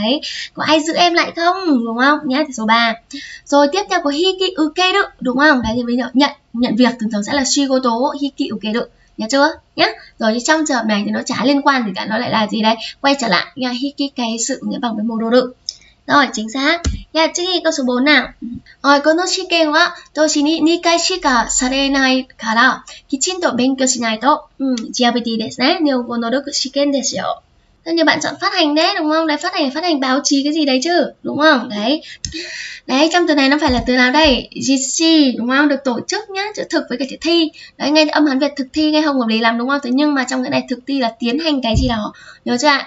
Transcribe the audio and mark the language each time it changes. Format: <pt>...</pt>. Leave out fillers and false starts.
<vi>Đấy, có ai giữ em lại không, đúng không nhá? Thì số 3. Rồi tiếp theo có hiki ukeru, đúng không? Đấy thì bây giờ nhận việc thường thường sẽ là shigoto hiki ukeru, nhớ chưa nhá. Rồi thì trong trường hợp này thì nó chả liên quan gì cả, nó lại là gì đây, quay trở lại nhá, hiki cái sự nghĩa bằng với modoru. Rồi chính xác nhá. Trước khi câu số 4 nào.</vi> <ja>Rồi この試験は同時に2回しかされないからきちんと勉強しないと GRBT ですね。日本語能力試験ですよ。</ja> <vi>Thế như bạn chọn phát hành đấy, đúng không? Đấy, phát hành báo chí cái gì đấy chứ, đúng không? Đấy, đấy trong từ này nó phải là từ nào đây? GC, đúng không? Được tổ chức nhá, chữ thực với cái chữ thi. Đấy, nghe âm Hán Việt thực thi nghe không hợp lý lắm, đúng không? Thế nhưng mà trong cái này thực thi là tiến hành cái gì đó, nhớ chưa ạ?</vi>